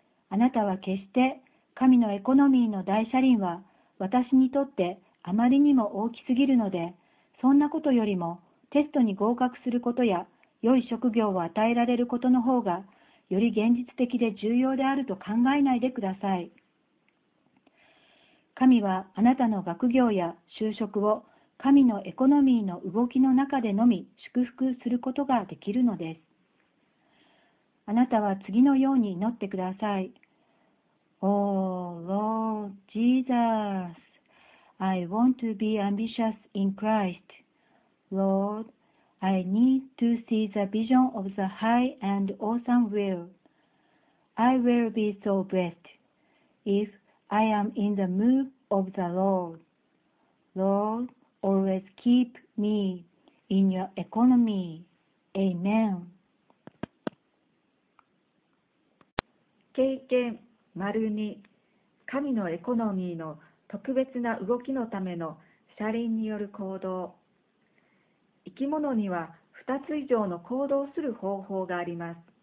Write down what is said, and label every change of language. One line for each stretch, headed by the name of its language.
Japanese: あなたは決して、神のエコノミーの大車輪は私にとってあまりにも大きすぎるので、そんなことよりもテストに合格することや良い職業を与えられることの方がより現実的で重要であると考えないでください。神はあなたの学業や就職を神のエコノミーの動きの中でのみ祝福することができるのです。あなたは次のように祈ってください。
English: Oh Lord Jesus, I want to be ambitious in Christ. Lord, I need to see the vision of the high and awesome will. I will be so blessed if I am in the move of the Lord. Lord, always keep me in your economy. Amen.
Japanese: 経験2、神のエコノミーの特別な動きのための車輪による行動。生き物には2つ以上の行動する方法があります。